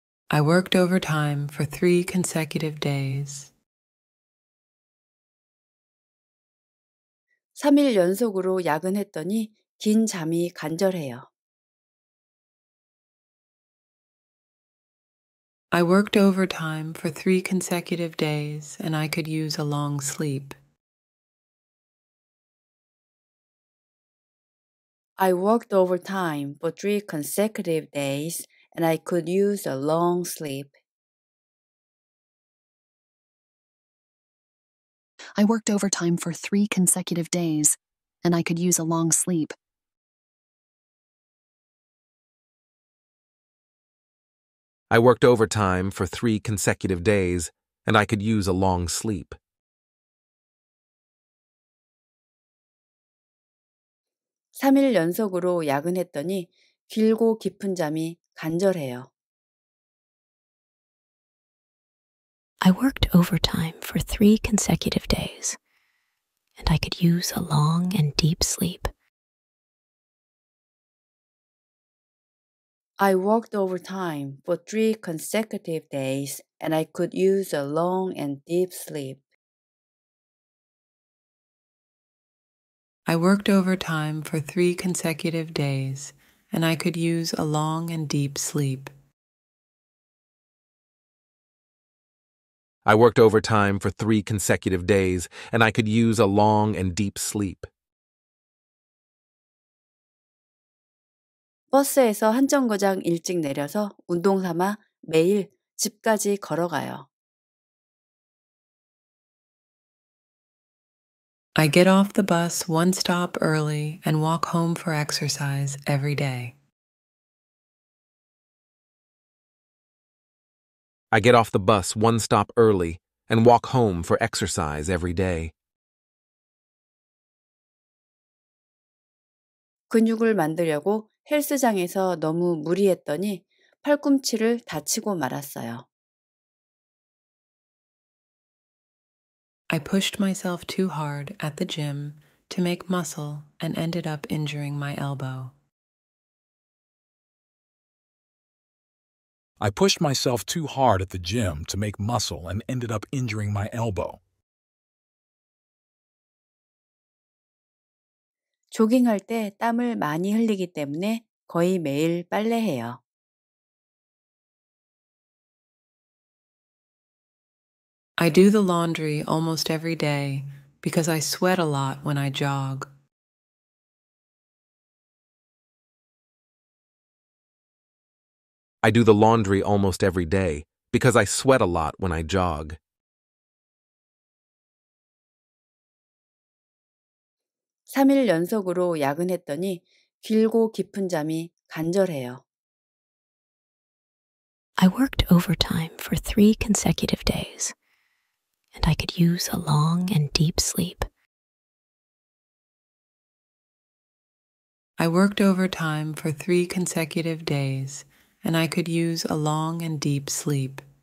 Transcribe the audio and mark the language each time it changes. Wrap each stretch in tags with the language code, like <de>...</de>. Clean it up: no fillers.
<en>I worked overtime for 3 consecutive days.</en> <ko>3일 연속으로 야근했더니 긴 잠이 간절해요.</ko> <en>I worked overtime for 3 consecutive days and I could use a long sleep. I worked overtime for 3 consecutive days and I could use a long sleep. I worked overtime for 3 consecutive days, and I could use a long sleep. I worked overtime for 3 consecutive days, and I could use a long sleep.</en> <ko>3일 연속으로 야근했더니 길고 깊은 잠이 간절해요.</ko> <en>I worked overtime for 3 consecutive days, and I could use a long and deep sleep. I worked overtime for 3 consecutive days, and I could use a long and deep sleep. I worked overtime for 3 consecutive days, and I could use a long and deep sleep. I worked overtime for 3 consecutive days, and I could use a long and deep sleep.</en> <ko>버스에서 한 정거장 일찍 내려서 운동 삼아 매일 집까지 걸어가요.</ko> <en>I get off the bus one stop early and walk home for exercise every day. I get off the bus one stop early and walk home for exercise every day.</en> <ko>근육을 만들려고 헬스장에서 너무 무리했더니 팔꿈치를 다치고 말았어요.</ko> <en>I pushed myself too hard at the gym to make muscle and ended up injuring my elbow. I pushed myself too hard at the gym to make muscle and ended up injuring my elbow.</en> <ko>조깅할 때 땀을 많이 흘리기 때문에 거의 매일 빨래해요.</ko> <en>I do the laundry almost every day because I sweat a lot when I jog. I do the laundry almost every day because I sweat a lot when I jog.</en> <ko>3일 연속으로 야근했더니 길고 깊은 잠이 간절해요.</ko> <en>I worked overtime for 3 consecutive days, and I could use a long and deep sleep. I worked overtime for 3 consecutive days, and I could use a long and deep sleep.</en>